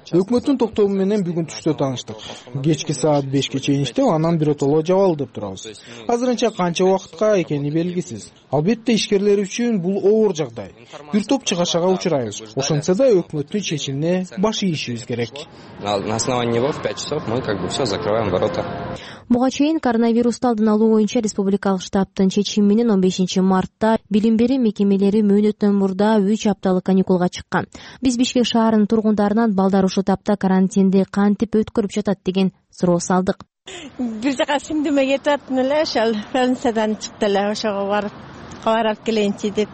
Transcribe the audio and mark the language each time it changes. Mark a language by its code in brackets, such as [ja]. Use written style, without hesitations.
[ky] өкмөттүн токтому менен бүгүн түштө тааныштык. Кечки саат 5ке чейин иштеп, анан биротоло жабалды деп турабыз. Азырынча канча убакытка экени белгисиз. Албетте ишкерлер үчүн бул оор жагдай. Бир топ чыгашага учурайбыз. Ошондо да өкмөттүн чечимине баш ийишибиз керек. [ru] На основании его в 5 часов мы как бы всё закрываем ворота. [ky] Буга чейин коронавирусту алдын алуу боюнча республикалык штабтын чечими менен 15 мартта билим берүү мекемелери мөөнөттөн мурда 3 апталык каникулга чыккан. Биз Бишкек шаарынын тургундарынан балдар ушул тапта карантинди кантип өткөрүп жатат деген суроо салдык. Бир жака симдиме кетип аттым эле, ошол Францадан чыкты эле, ошого барып кабарып келейинчи деп.